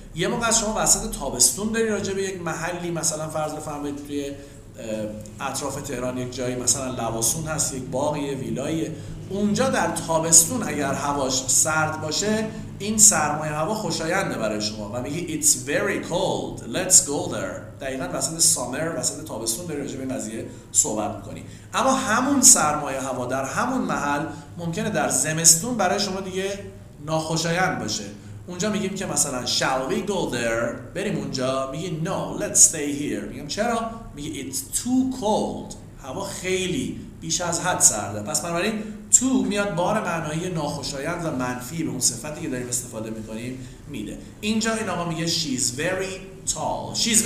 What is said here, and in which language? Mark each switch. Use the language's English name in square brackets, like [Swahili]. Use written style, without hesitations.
[Persian] یه موقع از شما وسط تابستون داری راجع به یک محلی، مثلا فرض بفرمایید توی اطراف تهران یک جایی مثلا لواسون هست، یک باقی ویلایی، اونجا در تابستون اگر هواش سرد باشه این سرمای هوا خوشاینده برای شما و میگی [English] It's very cold، let's go there. [Persian] دقیقا وسط سامر، وسط تابستون داری راجع به قضیه صحبت میکنی. اما همون سرمای هوا در همون محل ممکنه در زمستون برای شما دیگه ناخوشایند باشه. اونجا میگیم که مثلا [English] shall we go there، [Persian] بریم اونجا، میگی [English] no let's stay here. [Persian] میگم چرا؟ میگی [English] it's too cold، [Persian] هوا خیلی بیش از حد سرده. پس بنابراین too میاد بار معنایی ناخوشایند و منفی به اون صفتی که داریم استفاده میکنیم میده. اینجا این آقا میگه [English] she's very tall.